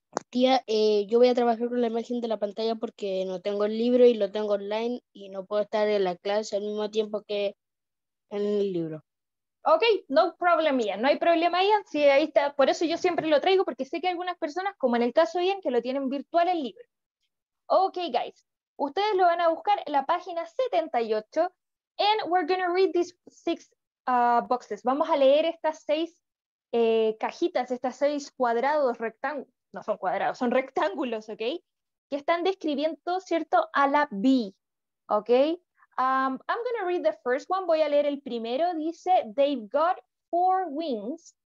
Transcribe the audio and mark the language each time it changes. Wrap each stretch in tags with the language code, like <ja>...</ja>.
<es>Tía, yo voy a trabajar con la imagen de la pantalla porque no tengo el libro y lo tengo online y no puedo estar en la clase al mismo tiempo que en el libro.</es> <en>Ok, no problem,</en> <es>Ian. No hay problema, Ian. Sí, ahí está. Por eso yo siempre lo traigo, porque sé que algunas personas, como en el caso de Ian, que lo tienen virtual el libro.</es> <en>Ok, guys.</en> <es>Ustedes lo van a buscar en la página 78.</es> <en>And we're going to read these six boxes.</en> <es>Vamos a leer estas seis cajitas, estas seis cuadrados rectángulos. No son cuadrados, son rectángulos, ¿ok? Que están describiendo, ¿cierto? A la</es> <en>bee, ¿ok? I'm gonna read the first one.</en> <es>Voy a leer el primero. Dice,</es> <en>they've got four wings.</en>